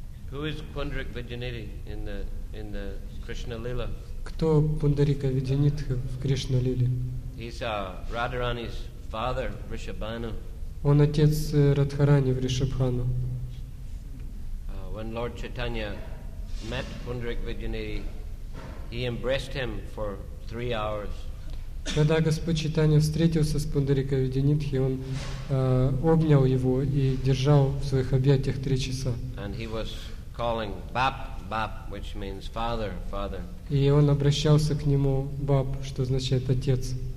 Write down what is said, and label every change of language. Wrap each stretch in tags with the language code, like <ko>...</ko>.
<en>Who is Pundarika Vidyanidhi in the Krishna Lila?</en> <ru>Кто Пундарика Видянитха в Кришна Лиле?</ru> <en>He's Radharani's father, Вришабану.</en> <ru>Он отец Радхарани в Вришабхану.</ru> <en>When Lord Chaitanya met Pundarik Vidyanidhi, he embraced him for 3 hours.</en> <ru>Когда Господь Чайтанья встретился с Пундарикой Видянитхи, он обнял его и держал в своих объятиях 3 часа.</ru> <en>And he was calling Bap. Bap, which means father, father.</en> <ru>И он обращался к нему Бап, что означает отец.</ru>